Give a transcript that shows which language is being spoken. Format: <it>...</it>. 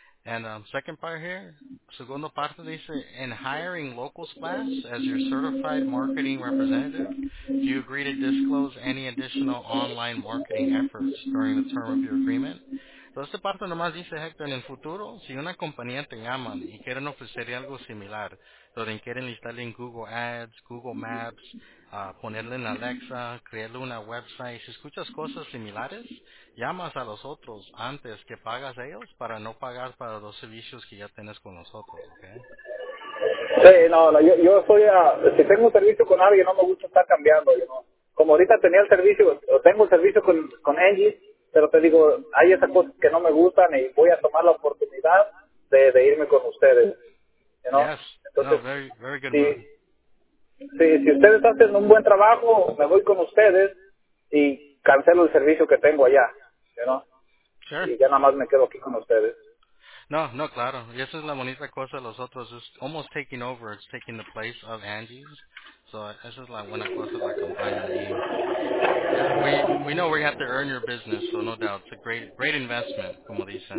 <en>And second part here,</en> <es>segundo parte dice,</es> <en>in hiring local splash as your certified marketing representative, do you agree to disclose any additional online marketing efforts during the term of your agreement?</en> <es>Entonces, esta parte nomás dice, Hector, en el futuro, si una compañía te llama y quieren ofrecer algo similar, donde quieren instalarle en Google Ads, Google Maps, ponerle en Alexa, crearle una website, si escuchas cosas similares, llamas a los otros antes que pagas a ellos para no pagar para los servicios que ya tienes con nosotros, ¿ok? Sí, yo soy, si tengo un servicio con alguien, no me gusta estar cambiando, Como ahorita tenía el servicio, o tengo el servicio con Engie, pero te digo, hay esas cosas que no me gustan y voy a tomar la oportunidad de irme con ustedes,</es> <en>Yes,</en> <es>entonces,</es> <en>very, very good.</en> <es>Si ustedes hacen un buen trabajo, me voy con ustedes y cancelo el servicio que tengo allá,</es> <en>Sure.</en> <es>Y ya nada más me quedo aquí con ustedes. No, claro. Y esa es la bonita cosa de los otros.</es> <en>It's almost taking over. It's taking the place of Angie's.</en> <es>So esa es la buena cosa de la compañía.</es> <en>We know we have to earn your business, so no doubt. It's a great investment,</en> <es>como dicen.</es>